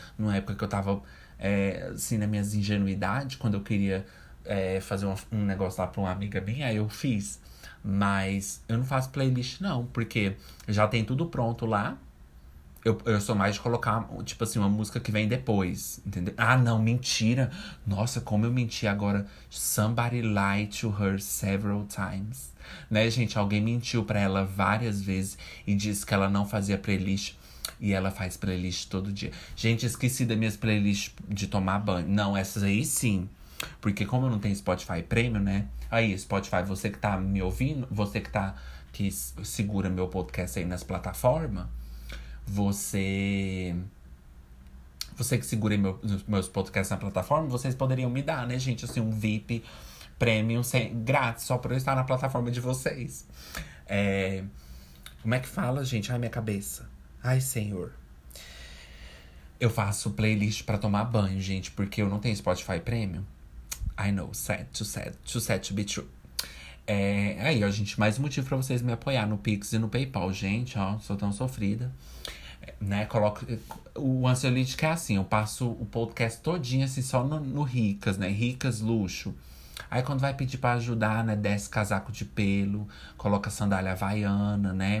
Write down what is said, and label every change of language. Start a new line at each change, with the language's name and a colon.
Portuguese: Numa época que eu tava, assim, nas minhas ingenuidades, quando eu queria, fazer um negócio lá pra uma amiga minha, aí eu fiz. Mas eu não faço playlist, não, porque já tem tudo pronto lá. Eu sou mais de colocar, tipo assim, uma música que vem depois, entendeu? Ah, não, mentira! Nossa, como eu menti agora.
English: Somebody lied to her several times.
Portuguese: Né, gente? Alguém mentiu pra ela várias vezes e disse que ela não fazia playlist. E ela faz playlist todo dia. Gente, esqueci das minhas playlists de tomar banho. Não, essas aí sim. Porque como eu não tenho Spotify Premium, né? Aí, Spotify, você que tá me ouvindo, você que tá, que segura meu podcast aí nas plataformas, você que segura meus podcasts na plataforma, vocês poderiam me dar, né, gente, assim, um VIP Premium grátis, só pra eu estar na plataforma de vocês. Como é que fala, gente? Ai, minha cabeça. Ai, senhor. Eu faço playlist pra tomar banho, gente, porque eu não tenho Spotify Premium.
English: I know, sad, too sad, too sad to be true.
Portuguese: Aí, ó, gente, mais um motivo pra vocês me apoiar no Pix e no PayPal, gente, ó, sou tão sofrida. Né, coloco. O Ansiolítica é assim, eu passo o podcast todinho, assim, só no Ricas, né? Ricas, luxo. Aí quando vai pedir pra ajudar, né? Desce casaco de pelo, coloca sandália havaiana, né?